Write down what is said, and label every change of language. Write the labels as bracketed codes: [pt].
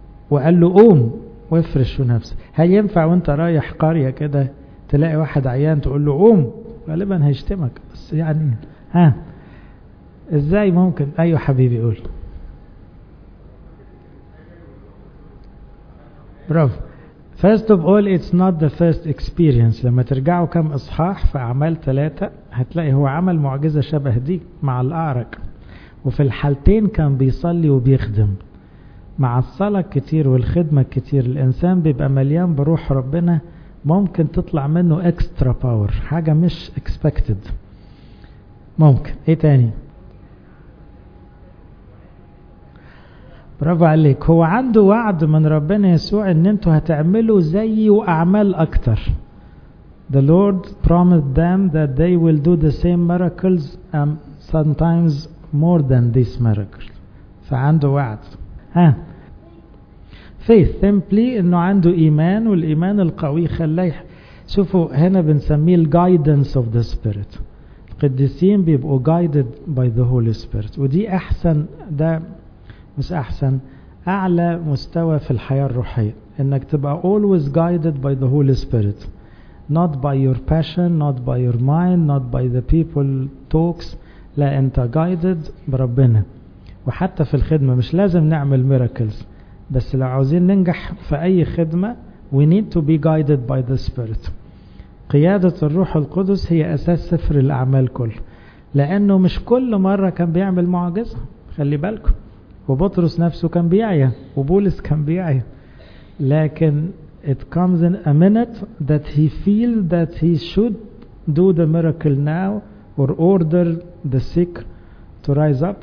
[ar] وقال له قوم وافرش نفسك. هل ينفع وانت رايح قرية كده تلاقي واحد عيان تقول له قوم؟ غالبا هيشتمك. بس يعني ها ازاي ممكن؟ ايوه حبيبي قول. برافو. [en] First of all, it's not the first experience. [ar] لما ترجعوا كم إصحاح في أعمال ثلاثة هتلاقي هو عمل معجزة شبه دي مع الأعرج, وفي الحالتين كان بيصلي وبيخدم. مع الصلاة كتير والخدمة كتير الإنسان بيبقى مليان بروح ربنا, ممكن تطلع منه extra power, حاجة مش expected. ممكن. ايه تاني؟ برافو عليك. هو عنده وعد من ربنا يسوع ان انتوا هتعملوا زي واعمال اكتر. [en] The Lord promised them that they will do the same miracles and sometimes more than this miracle. [ar] فعنده وعد. ها. [en] Faith simply [ar] انه عنده ايمان, والايمان القوي خليه. شوفوا هنا بنسميه ال [en] guidance of the spirit. [ar] القديسين بيبقوا [en] guided by the Holy Spirit. [ar] ودي احسن, ده مش أحسن, أعلى مستوى في الحياة الروحية, إنك تبقى [en] always guided by the Holy Spirit, not by your passion, not by your mind, not by the people talks. [ar] لا, أنت guided بربنا. وحتى في الخدمة مش لازم نعمل miracles, بس لو عاوزين ننجح في أي خدمة [en] we need to be guided by the Spirit. [ar] قيادة الروح القدس هي أساس سفر الأعمال كله, لأنه مش كل مرة كان بيعمل معجزة. خلي بالكم, وبطرس نفسه كان بيعيا, وبولس كان بيعيا, لكن [en] it comes in a minute that he feels that he should do the miracle now or order the sick to rise up.